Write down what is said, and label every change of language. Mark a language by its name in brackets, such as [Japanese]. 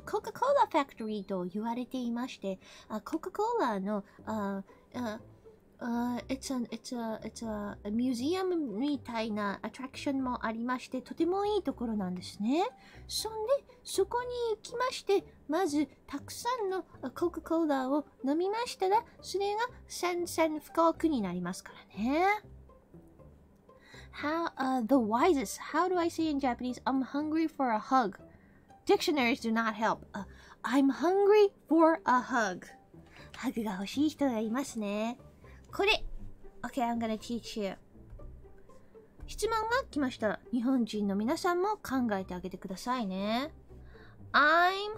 [Japanese] Coca-Cola Factory と言われていまして、Coca-Cola の、 [English] It's a museum [Japanese] みたいなアトラクションもありまして、とてもいいところなんですね。そんで、そこに行きまして、まず、たくさんのコカ・コーラを飲みましたら、それが宣々布告になりますからね。 [English] The wisest. How do I say in Japanese, I'm hungry for a hug? Dictionaries do not help. I'm hungry for a hug. [Japanese] ハグが欲しい人がいますね。 [English] これ。Okay, I'm gonna teach you. [Japanese] 質問が来ました。日本人の皆さんも考えてあげてくださいね。 [English] I'm